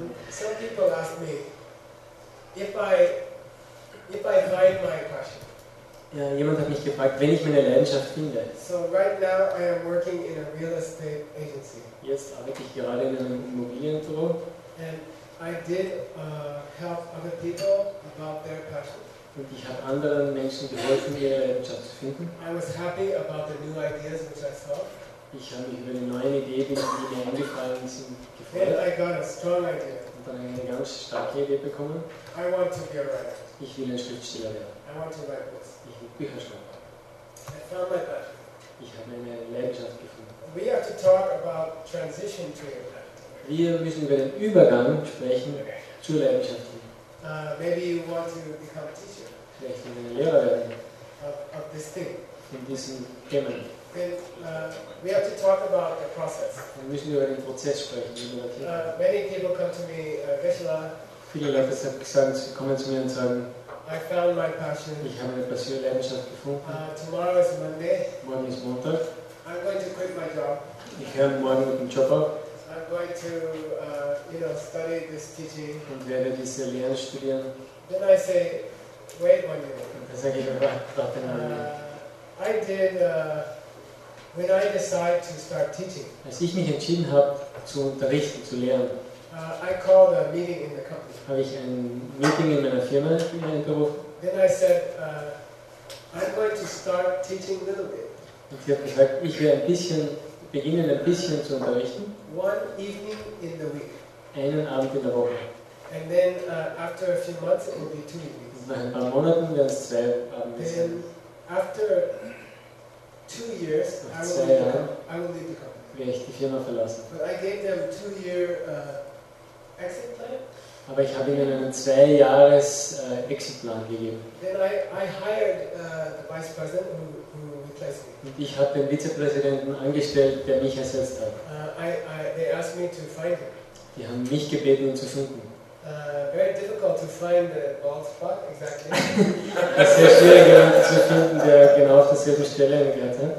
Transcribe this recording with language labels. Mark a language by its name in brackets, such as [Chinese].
[English] Some people ask me, if I find my passion. [German] Ja, jemand hat mich gefragt, wenn ich meine Leidenschaft finde. [English] So right now I am working in a real estate agency. [German] Jetzt arbeite ich gerade in einem Immobilienbüro. [English] And I did help other people about their passion. [German] Und ich habe anderen Menschen geholfen, ihre Leidenschaft zu finden. [English] I was happy about the new ideas which I saw. [German] Ich habe mich über die neuen Ideen, die mir eingefallen sind, gefreut. [English] Then I got a strong idea. [German] Und dann eine ganz starke Idee bekommen. [English] I want to be a writer. [German] Ich will ein Schriftsteller werden. [English] I want to write books. [German] Ich will Bücher schreiben. [English] I found my passion. [German] Ich habe meine Leidenschaft gefunden. [English] We have to talk about transition to your passion. [German] Wir müssen über den Übergang sprechen zur Leidenschaft. [English] Maybe you want to become a teacher. [German] Vielleicht will ich ein Lehrer werden. [English] Of this thing. [German] In diesem Themen. [English] Then we have to talk about the process. [German] Wir müssen über den Prozess sprechen. [English] Many people come to me, Geshe-la. [German] Viele Leute kommen zu mir und sagen, [English] I found my passion. [German] Ich habe eine Passion, Leidenschaft gefunden. [English] Tomorrow is Monday. [German] Morgen ist Montag. [English] I'm going to quit my job. [German] Ich höre morgen mit dem Job auf. [English] I'm going to, study this teaching. [German] Und werde diese Lehre studieren. [English] Then I say, wait 1 year. [German] Und dann sage ich, warte 1 year. [English] I did, when I decide to start teaching. [German] Als ich mich entschieden habe, zu unterrichten, zu lehren. [English] I called a meeting in the company. [German] Habe ich ein Meeting in meiner Firma gerufen. [English] Then I said, I'm going to start teaching a little bit. [German] Und ich habe gesagt, ich werde beginnen ein bisschen zu unterrichten. [English] One evening in the week. [German] Einen Abend in der Woche. [English] And then after a few months it will be 2 evenings. [German] Und nach ein paar Monaten werden es 2 Abende sein. [English] After 2 years, I will leave the company. [German] Werde ich die Firma verlassen. [English] But I gave them a 2 year exit plan. [German] Aber ich habe ihnen einen 2 Jahres Exit Plan gegeben. [English] Then I hired the vice president who replaced replacing. [German] Ich habe den Vizepräsidenten angestellt, der mich ersetzt hat. [English] They asked me to find him. [German] Die haben mich gebeten, ihn zu finden. [English] Very difficult to find the bald spot exactly. [German] Es ist sehr schwierig, jemanden zu finden, der genau auf derselben Stelle hingehört.